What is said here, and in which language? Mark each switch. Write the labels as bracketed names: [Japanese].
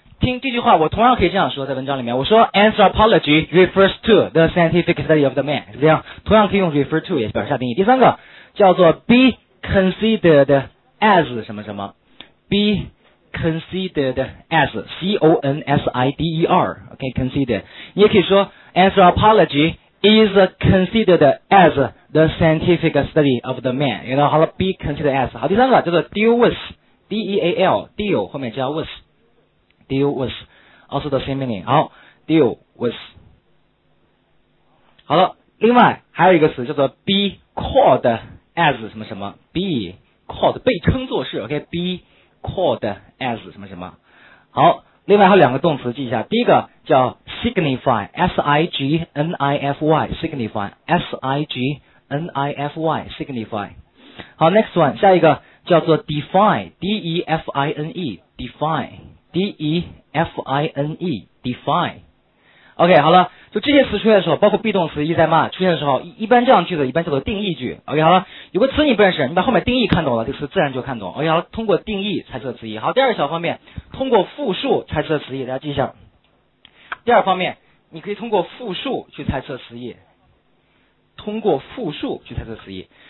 [Chinese] 听这句话，我同样可以这样说，在文章里面我说 [English] anthropology refers to the scientific study of the man， [Chinese] 是这样，同样可以用 refer to 也表示下定义。第三个叫做 be considered as 什么什么， beConsidered as， C-O-N-S-I-D-E-R， OK， considered。你也可以说 [English] anthropology is considered as the scientific study of the man， you know， [Chinese] 好了， be considered as。好，第三个叫做 deal with， D-E-A-L， deal 后面加 with， deal with， [English] also the same meaning。 [Chinese] 好， deal with。好了，另外还有一个词叫做 be called as 什么什么， be called 被称作是， OK， beCalled as 什么什么。好，另外还有两个动词记一下。第一个叫 signify， S-I-G-N-I-F-Y， signify， S-I-G-N-I-F-Y， signify。好， [English] next one， [Chinese] 下一个叫做 define， D-E-F-I-N-E， define， D-E-F-I-N-E， define。 OK， 好了，就这些词出现的时候，包括 be 动词 is am 出现的时候， 一般这样句子一般叫做定义句。 OK， 好了，有个词你不认识，你把后面定义看懂了，这个词自然就看懂。 OK， 好了，通过定义猜测词义。好，第二个小方面，通过复数猜测词义，大家记一下。第二方面，你可以通过复数去猜测词义，通过复数去猜测词义。